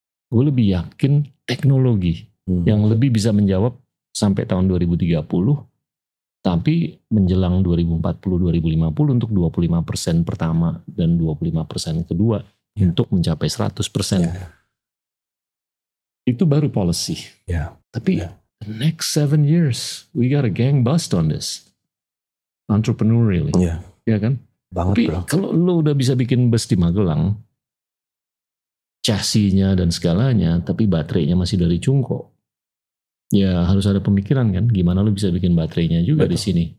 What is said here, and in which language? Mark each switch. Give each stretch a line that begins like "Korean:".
Indonesian: Gue lebih yakin teknologi yang lebih bisa menjawab sampai tahun 2030, tapi menjelang 2040-2050 untuk 25% pertama dan 25% kedua untuk mencapai 100%. Itu baru policy. Tapi
English: next 7 years, we got a gang bust on this.
Indonesian: Entrepreneurially. Iya kan? Banget, tapi bro, kalau lo udah bisa bikin bus di Magelang, chassisnya dan segalanya, tapi baterainya masih dari Cungko, ya harus ada pemikiran kan, gimana lo bisa bikin baterainya juga di sini.